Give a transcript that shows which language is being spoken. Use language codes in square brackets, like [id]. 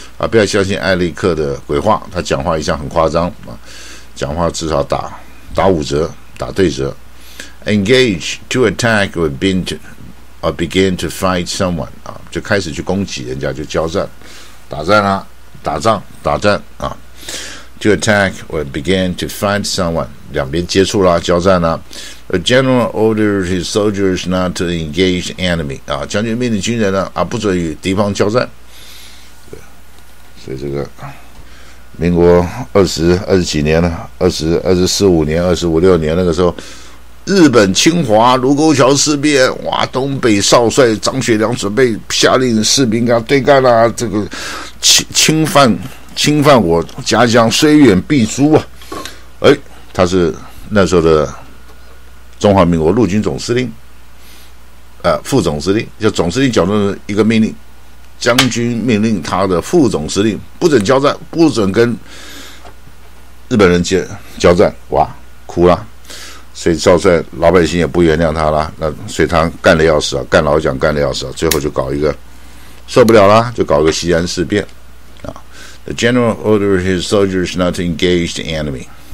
[zh] 啊，不要相信艾利克的鬼话。他讲话一向很夸张啊，讲话至少打五折，打对折。 [en] Engage to attack or begin to fight someone. [zh] 啊，就开始去攻击人家，就交战，打战啦，啊，打仗，打战啊。 [en] To attack or begin to fight someone. [zh] 两边接触啦，交战啦。 [en] A general ordered his soldiers not to engage enemy. [zh] 啊，将军命令军人呢，啊，不准与敌方交战。对，所以这个民国二十几年了，二十四五年、25、26年那个时候，日本侵华卢沟桥事变，哇，东北少帅张学良准备下令士兵跟他对干啦，啊，这个侵犯我家乡，虽远必诛啊！哎，他是那时候的。中华民国陆军总司令，副总司令，就总司令角度的一个命令，将军命令他的副总司令不准交战，不准跟日本人交战，哇，哭了，所以少帅老百姓也不原谅他了，那所以他干了要死啊，干老蒋干了要死啊，最后就搞一个受不了了，就搞个西安事变啊。 [en] The general ordered his soldiers not to engage the enemy.